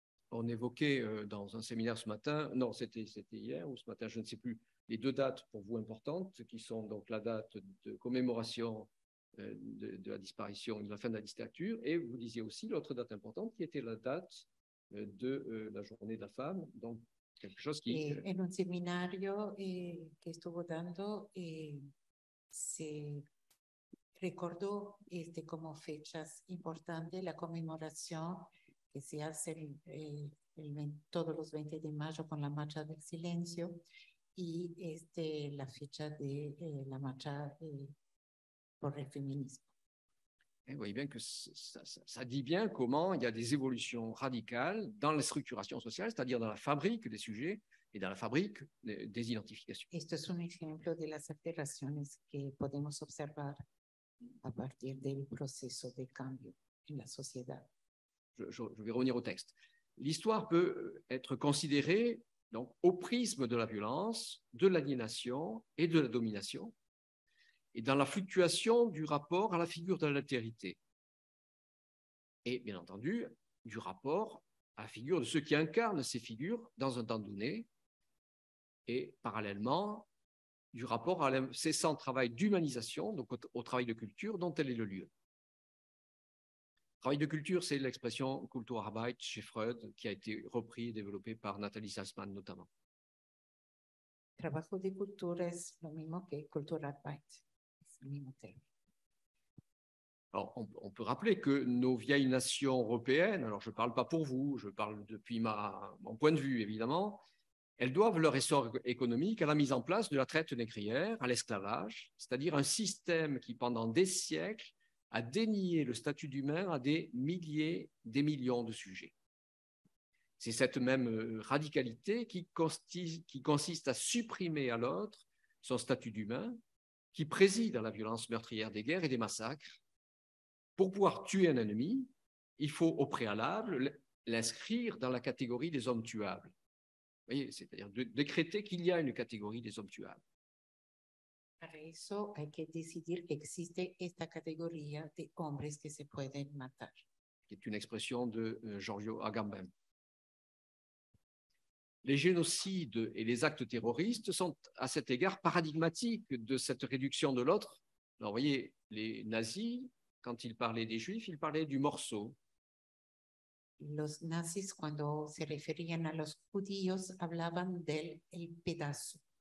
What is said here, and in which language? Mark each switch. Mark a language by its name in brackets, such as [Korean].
[French] On évoquait dans un séminaire ce matin, non, c'était hier ou ce matin, je ne sais plus, les deux dates pour vous importantes, qui sont donc la date de commémoration de la disparition et de la fin de la dictature, et vous disiez aussi l'autre date importante qui était la date de la journée de la femme, donc quelque chose qui... [Spanish] En un séminario que estuvo dando, se recordó como fechas importantes la conmemoración que se hace todos los 20 de mayo con la Marcha del Silencio y la fecha de la Marcha por el Feminismo. [French] Vous voyez bien que ça dit bien comment il y a des évolutions radicales dans la structuration sociale, c'est-à-dire dans la fabrique des sujets et dans la fabrique des identifications. [Spanish] Esto es un ejemplo de las alteraciones que podemos observar a partir del proceso de cambio en la sociedad. [French] Je vais revenir au texte. L'histoire peut être considérée donc au prisme de la violence, de l'aliénation et de la domination, et dans la fluctuation du rapport à la figure de l'altérité, et bien entendu du rapport à la figure de ceux qui incarnent ces figures dans un temps donné, et parallèlement du rapport à l'incessant travail d'humanisation, donc au travail de culture dont elle est le lieu. Travail de culture, c'est l'expression Kulturarbeit chez Freud, qui a été repris et développé par Nathalie Sassmann notamment. [Spanish] Trabajo de cultura es lo mismo que Kulturarbeit. Es el mismo término. [French] Alors, on peut rappeler que nos vieilles nations européennes, alors je ne parle pas pour vous, je parle depuis mon point de vue évidemment, elles doivent leur essor économique à la mise en place de la traite négrière, à l'esclavage, c'est-à-dire un système qui pendant des siècles a dénié le statut d'humain à des milliers, des millions de sujets. C'est cette même radicalité qui consiste à supprimer à l'autre son statut d'humain, qui préside à la violence meurtrière des guerres et des massacres. Pour pouvoir tuer un ennemi, il faut au préalable l'inscrire dans la catégorie des hommes tuables. Vous voyez, c'est-à-dire de décréter qu'il y a une catégorie des hommes tuables. [Spanish] Para eso hay que decidir que existe esta categoría de hombres que se pueden matar. Que es una expresión de Giorgio Agamben. [French] Les génocides et les actes terroristes sont à cet égard paradigmatiques de cette réduction de l'autre. Alors, vous voyez, les nazis, quand ils parlaient des juifs, ils parlaient du morceau. [Spanish] Los nazis, cuando se referían a los judíos, hablaban del el pedazo.